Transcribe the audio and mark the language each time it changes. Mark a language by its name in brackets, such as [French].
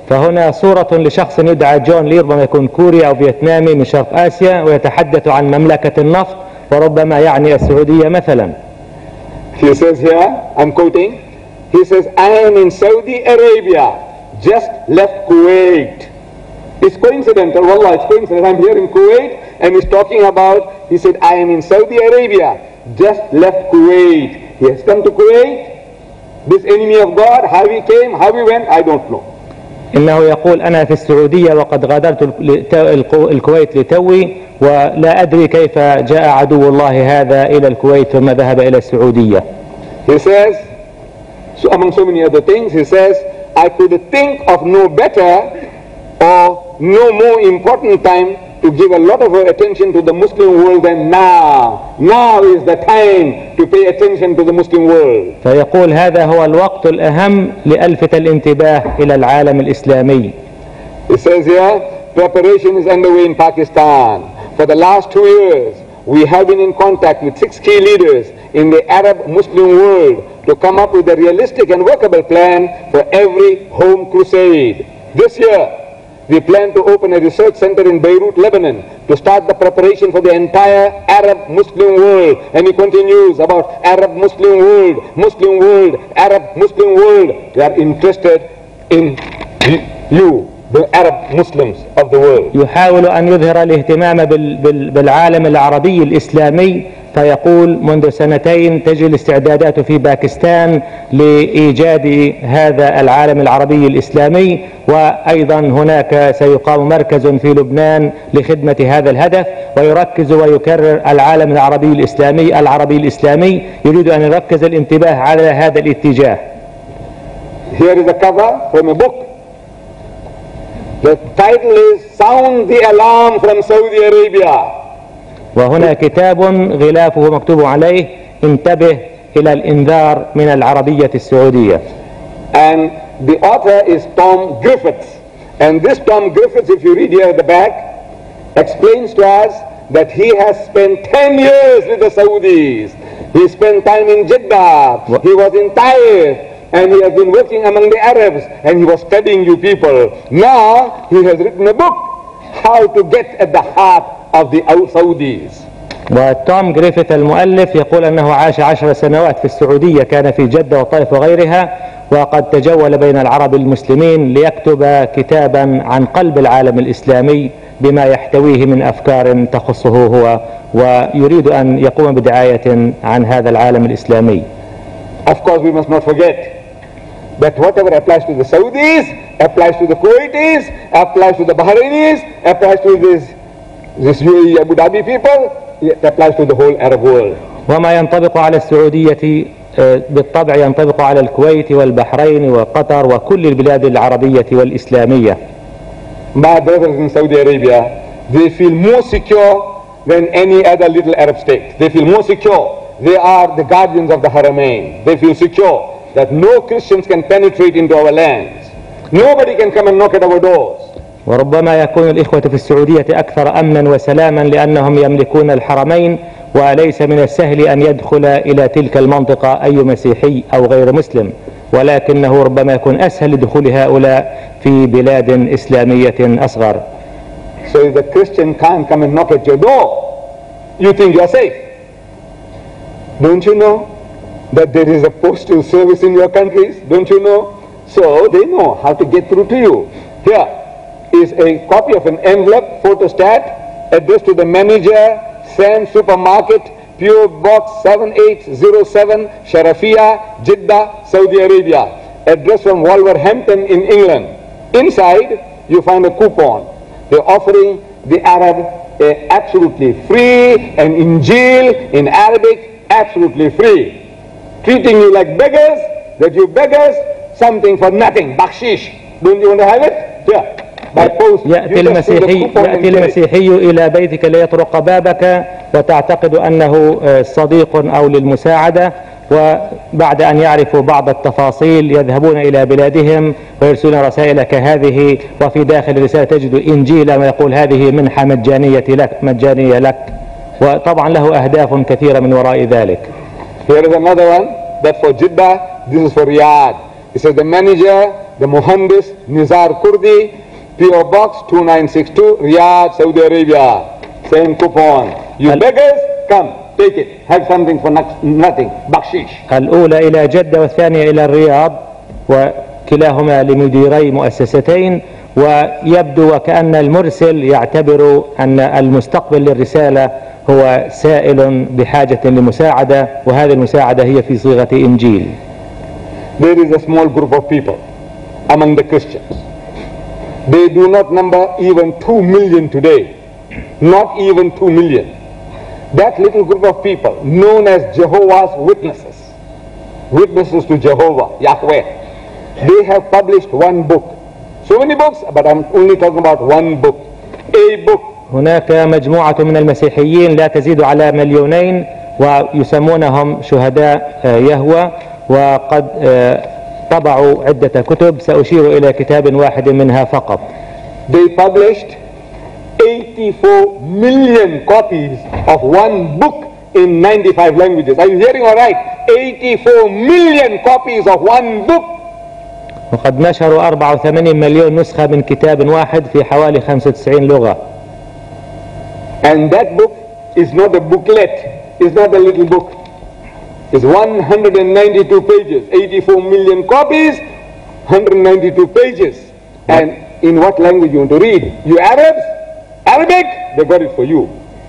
[Arabic] فهنا صورة لشخص يدعى جون لي، ربما يكون كوري أو فيتنامي من شرق آسيا، ويتحدث عن مملكة النفط، وربما يعني السعودية مثلا. [English] He says here, I'm quoting, he says, I am in Saudi Arabia, just left Kuwait. It's coincidental, wallah, it's coincidental. I'm here in Kuwait, and he's talking about, he said, I am in Saudi Arabia, just left Kuwait. He has come to Kuwait, this enemy of God, how he came, how he went, I don't know. [Arabic] إنه يقول أنا في السعودية وقد غادرت الكويت لتوي، ولا أدري كيف جاء عدو الله هذا إلى الكويت ثم ذهب إلى السعودية. [English] He says, so among so many other things, he says, I could think of no better or no more important time to give a lot of attention to the Muslim world than now. Now is the time to pay attention to the Muslim world. [Arabic] فيقول هذا هو الوقت الأهم لألفت الانتباه إلى العالم الإسلامي. [English] It says here, preparation is underway in Pakistan. For the last 2 years, we have been in contact with 6 key leaders in the Arab Muslim world to come up with a realistic and workable plan for every home crusade. This year, we plan to open a research center in Beirut, Lebanon, to start the preparation for the entire Arab Muslim world. And he continues about Arab Muslim world, Muslim world, Arab Muslim world. They are interested in you, the Arab Muslims of the world. [Arabic] يحاول أن يظهر الاهتمام بالعالم العربي الإسلامي. فيقول منذ سنتين تجري الاستعدادات في باكستان لإيجاد هذا العالم العربي الإسلامي، وأيضا هناك سيقام مركز في لبنان لخدمة هذا الهدف، ويركز ويكرر العالم العربي الإسلامي. يريد أن يركز الانتباه على هذا الاتجاه. [English] Here is a cover from a book. The title is Sound the Alarm from Saudi Arabia. [Arabic] وهنا كتاب غلافه مكتوب عليه انتبه إلى الإنذار من العربية السعودية. [English] And the author is Tom Griffiths. And this Tom Griffiths, if you read here at the back, explains to us that he has spent 10 years with the Saudis. He spent time in Jeddah. He was in Taif. And he has been working among the Arabs. And he was studying you people. Now he has written a book, How to Get at the Heart of the Saudis. [Arabic] وتوم جريفيث المؤلف يقول أنه عاش 10 سنوات في السعودية، كان في جدة وطائف وغيرها، وقد تجول بين العرب المسلمين ليكتب كتابا عن قلب العالم الإسلامي بما يحتويه من أفكار تخصه هو، ويريد أن يقوم بدعاية عن هذا العالم الإسلامي. [English] Of course we must not forget that whatever applies to the Saudis applies to the Kuwaitis, applies to the Bahrainis, applies to this Abu Dhabi people, it applies to the whole Arab world. [Arabic] وما ينطبق على السعودية بالطبع ينطبق على الكويت والبحرين وقطر وكل البلاد العربية والإسلامية. [English] My brothers in Saudi Arabia, they feel more secure than any other little Arab state. They feel more secure. They are the guardians of the Haramain. They feel secure. that no Christians can penetrate into our lands. Nobody can come and knock at our doors. [Arabic] وربما يكون الإخوة في السعودية أكثر أمناً وسلاماً لأنهم يملكون الحرمين وليس من السهل أن يدخل إلى تلك المنطقة أي مسيحي أو غير مسلم، ولكنه ربما يكون أسهل دخول هؤلاء في بلاد إسلامية أصغر. [English] So if the Christian can't come and knock at your door, you think you're safe. Don't you know that there is a postal service in your countries? Don't you know? So they know how to get through to you. Here is a copy of an envelope, photostat, addressed to the manager, Sam Supermarket, PO Box 7807, Sharafia, Jeddah, Saudi Arabia. Address from Wolverhampton in England. Inside, you find a coupon. They're offering the Arab a absolutely free, an Injil in Arabic, absolutely free. Treating you like beggars, that you beggars, something for nothing, bakshish. Don't you want to have it? Here. [Arabic] يأتي المسيحي, يأتي المسيحي إلى بيتك ليطرق بابك وتعتقد أنه صديق أو للمساعدة، وبعد أن يعرفوا بعض التفاصيل يذهبون إلى بلادهم ويرسلون رسائل كهذه، وفي داخل الرسالة تجد إنجيلا ويقول هذه منحة مجانية لك، مجانية لك، وطبعا له أهداف كثيرة من وراء ذلك. [English] Here is another one, that for Jeddah, this is for Riyadh. He says the manager, the Muhandis Nizar Kurdi, PO Box 2962, Riyadh, Saudi Arabia. Same coupon. You beggars, come, take it. Have something for nothing. Bakshish. [Arabic] الأولى إلى جدة والثانية إلى الرياض، وكلاهما لمديري مؤسستين، ويبدو وكأن المرسل يعتبر أن المستقبل للرسالة هو سائل بحاجة لمساعدة، وهذه المساعدة هي في صيغة إنجيل. [English] There is a small group of people among the Christians. They do not number even 2 million today. Not even 2 million. That little group of people known as Jehovah's Witnesses, Witnesses to Jehovah, Yahweh, they have published one book. So many books, but I'm only talking about one book. A book. [Arabic] هناك مجموعة من المسيحيين لا تزيد على مليونين ويسمونهم شهداء يهوه، وقد طبعوا عدة كتب، سأشير إلى كتاب واحد منها فقط. [English] They published 84 million copies of one book in 95 languages. Are you hearing all right? 84 million copies of one book. [Arabic] وقد نشروا 84 مليون نسخة من كتاب واحد في حوالي 95 لغة. [English] And that book is not a booklet. It's not a little book. Is 192 pages, 84 million copies, 192 pages. And in what language you want to read? You Arabs? Arabic? They got it for you.